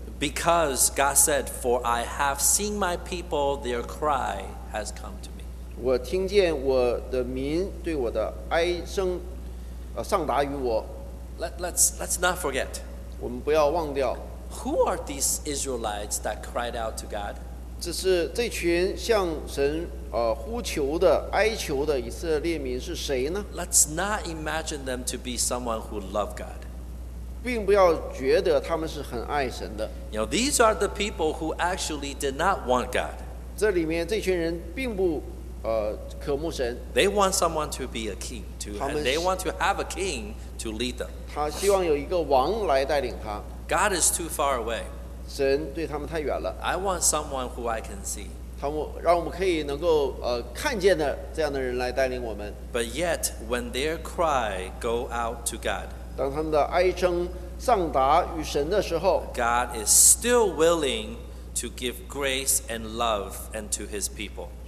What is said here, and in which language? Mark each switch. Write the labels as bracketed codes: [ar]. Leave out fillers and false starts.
[en] Because God said, "For I have seen my people; their cry has come to me." [zh] 我听见我的民对我的哀声，上达于我。 [en] Let's not forget. [zh] 我们不要忘掉。 [en] Who are these Israelites that cried out to God? [zh] 这是这群向神呼求的哀求的以色列民是谁呢 [en] ？Let's not imagine them to be someone who loved God. [zh] 并不要觉得他们是很爱神的。 [en] You know, these are the people who actually did not want God. [zh] 这里面这群人并不渴慕神。 [en] They want someone to be a king, and they want to have a king to lead them. [zh] 他希望有一个王来带领他。 [en] God is too far away. [zh] 神对他们太远了。 [en] I want someone who I can see. [zh] 让我们可以能够看见的这样的人来带领我们。 [en] But yet, when their cry go out to God, [zh] 当他们的哀声上达于神的时候 [en] ，God is still willing to give grace and love and to His people.